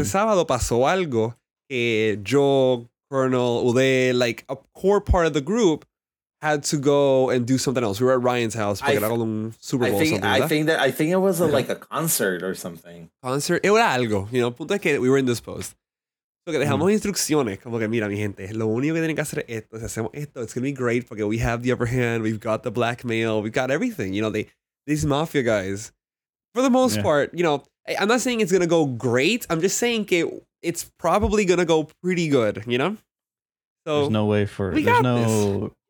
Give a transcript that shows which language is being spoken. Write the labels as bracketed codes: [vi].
[en] Ese sábado pasó algo que yo, Colonel, Uday, like a core part of the group, had to go and do something else. We were at Ryan's house. I think it was like a concert or something. Concert? It was algo. You know, [es] punto es que [en] we were indisposed. [es] So que dejamos instrucciones. Como que mira, mi gente, lo único que tienen que hacer es esto. Si hacemos esto, [en] it's going to be great because we have the upper hand. We've got the blackmail. We've got everything. You know, these mafia guys, for the most part, you know, I'm not saying it's going to go great. I'm just saying que it's probably going to go pretty good, you know? So there's no way for... We got no... this.